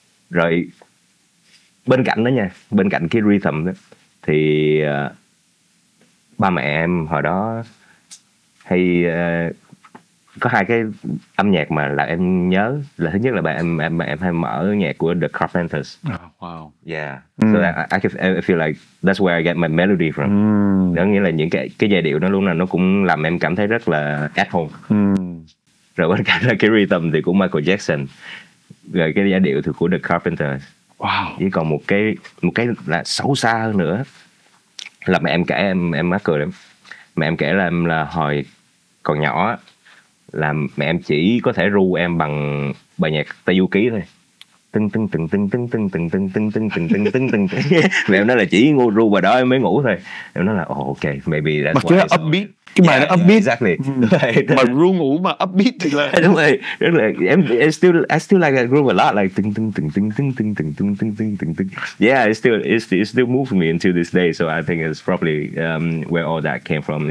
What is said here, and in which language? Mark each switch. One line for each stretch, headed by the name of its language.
Vietnamese: Rồi bên cạnh đó nha, bên cạnh cái rhythm đó thì ba mẹ em hồi đó hay có hai cái âm nhạc mà là em nhớ, là thứ nhất là em hay mở nhạc của The Carpenters.
English: Oh, wow. Yeah. Mm. So I feel like that's where I get my melody from. Mm.
Vietnamese: Đó nghĩa là những cái giai điệu nó luôn là nó cũng làm em cảm thấy rất là at home. Mm. Rồi bên cạnh là cái rhythm thì của Michael Jackson, rồi cái giai điệu thì của The Carpenters.
English: Wow.
Vietnamese: Chỉ còn một cái là xấu xa hơn nữa là mẹ em kể, em mắc cười lắm. Mẹ em kể là em là hồi còn nhỏ là mẹ em chỉ có thể ru em bằng bài nhạc Tây Du Ký thôi. Tưng tưng tưng tưng tưng tưng tưng tưng tưng tưng tưng tưng tưng tưng. Mẹ em nói là chỉ ru bài đó em mới ngủ thôi. Em nói là ok,
English: maybe that's
Vietnamese: why. Mà cái upbeat, cái bài nó upbeat.
English: Exactly.
Vietnamese: Mà ru ngủ mà upbeat thì là đúng rồi. Rất là
English: I still like that groove a lot, like tưng tưng tưng tưng tưng tưng tưng tưng tưng tưng tưng tưng. Yeah, it still moves me until this day, so I think it's probably where all that came from.